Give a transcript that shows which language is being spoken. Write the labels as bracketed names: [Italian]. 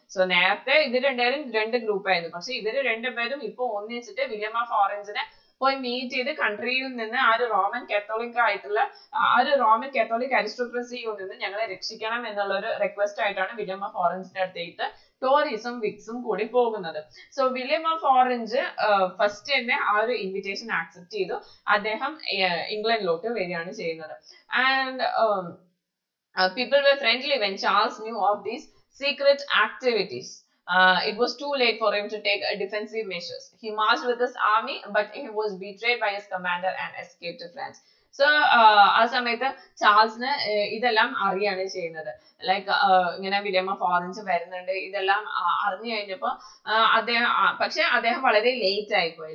[Malayalam] So നേരത്തെ ഇത് രണ്ടുപേരും രണ്ട് ഗ്രൂപ്പ് ആയിരുന്നു. പക്ഷെ ഇവര് രണ്ടുപേരും ഇപ്പൊ ഒന്നിച്ചിട്ട് വില്യം ഓഫ് ഓറഞ്ചിനെ പോയി മീറ്റ് ചെയ്ത് കൺട്രിയിൽ നിന്ന് ആ ഒരു റോമൻ കത്തോളിക് ആയിട്ടുള്ള ആ ഒരു റോമൻ കത്തോളിക് അരിസ്റ്റോക്രസിയിൽ നിന്ന് ഞങ്ങളെ രക്ഷിക്കണം എന്നുള്ള ഒരു റിക്വസ്റ്റ് ആയിട്ടാണ് വില്യം ഓഫ് ഓറഞ്ചിന്റെ അടുത്തേക്ക് ടോറീസും വിക്സും കൂടി പോകുന്നത്. So William of orange first തന്നെ ആ ഒരു ഇൻവിറ്റേഷൻ ആക്സെപ്റ്റ് ചെയ്തു, അദ്ദേഹം ഇംഗ്ലണ്ടിലോട്ട് വരികയാണ് ചെയ്യുന്നത്. [English] And people were friendly when Charles knew of these secret activities. It was too late for him to take defensive measures. He marched with his army, but he was betrayed by his commander and escaped to France. [Malayalam] So ആ സമയത്ത് ചാൾസിന് ഇതെല്ലാം അറിയാണ് ചെയ്യുന്നത്. Like ഇങ്ങനെ William of orange വരുന്നുണ്ട് ഇതെല്ലാം അറിഞ്ഞു കഴിഞ്ഞപ്പോ പക്ഷെ അദ്ദേഹം വളരെ ലേറ്റ് ആയിപ്പോയി.